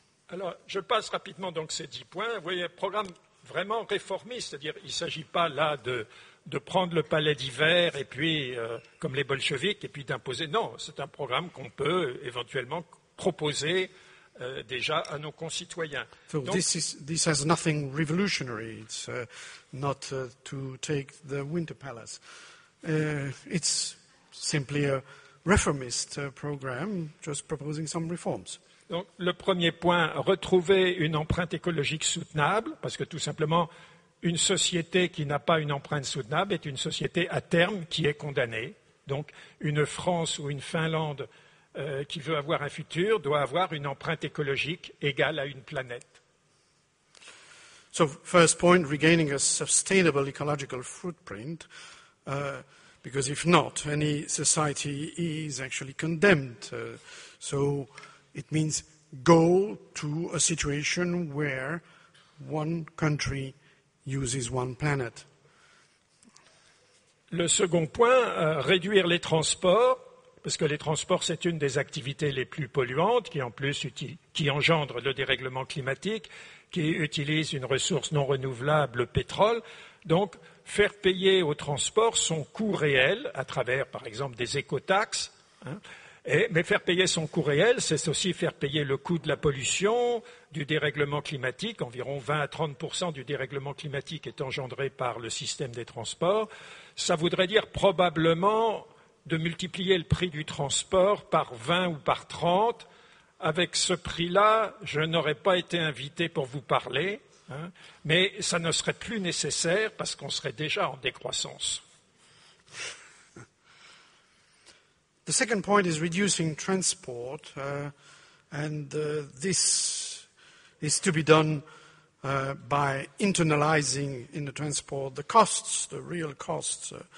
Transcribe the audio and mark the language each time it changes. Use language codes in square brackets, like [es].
[fr] Alors, je passe rapidement donc ces 10 points. Vous voyez, programme vraiment réformiste, c'est-à-dire il ne s'agit pas là de prendre le palais d'hiver et puis, comme les bolcheviks, et puis d'imposer. Non, c'est un programme qu'on peut éventuellement proposer déjà à nos concitoyens. [en] So donc, this has nothing revolutionary. It's not to take the Winter Palace. It's simply a reformist program, just proposing some reforms. [fr] Donc le premier point, retrouver une empreinte écologique soutenable, parce que tout simplement, une société qui n'a pas une empreinte soutenable est une société à terme qui est condamnée. Donc une France ou une Finlande qui veut avoir un futur doit avoir une empreinte écologique égale à une planète. [en] So first point, regaining a sustainable ecological footprint, because if not, any society is actually condemned. So it means go to a situation where one country uses one planet. [fr] Le second point, réduire les transports, parce que les transports, c'est une des activités les plus polluantes, qui en plus qui engendre le dérèglement climatique, qui utilise une ressource non renouvelable, le pétrole. Donc, faire payer aux transports son coût réel, à travers, par exemple, des écotaxes, hein. Mais faire payer son coût réel, c'est aussi faire payer le coût de la pollution, du dérèglement climatique. Environ 20 à 30% du dérèglement climatique est engendré par le système des transports. Ça voudrait dire probablement de multiplier le prix du transport par 20 ou par 30. Avec ce prix-là, je n'aurais pas été invité pour vous parler, hein, mais ça ne serait plus nécessaire parce qu'on serait déjà en décroissance. [en] The second point is reducing transport, this is to be done by internalizing in the transport the costs, the real costs.